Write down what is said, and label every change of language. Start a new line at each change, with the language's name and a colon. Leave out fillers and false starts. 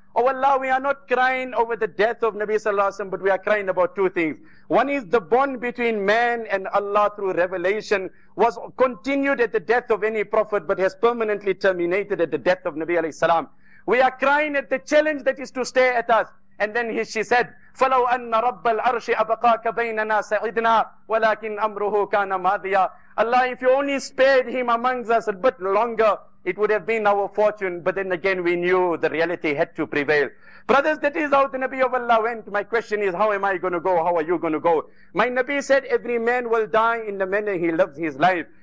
English: Oh Allah, we are not crying over the death of Nabi sallallahu alayhi wa sallam, but we are crying about two things. One is the bond between man and Allah through revelation was continued at the death of any prophet, but has permanently terminated at the death of Nabi alayhi salam. We are crying at the challenge that is to stay at us. And then she said,
Arabic: فَلَوْ أَنَّ رَبَّ الْعَرْشِ أَبَقَاكَ بَيْنَنَا سَعِدْنَا وَلَكِنْ أَمْرُهُ كَانَ مَاذِيَا.
English: Allah, if you only spared him amongst us a bit longer, it would have been our fortune. But then again, we knew the reality had to prevail. Brothers, that is how the Nabi of Allah went. My question is, how am I going to go? How are you going to go? My Nabi said, every man will die in the manner he lives his life.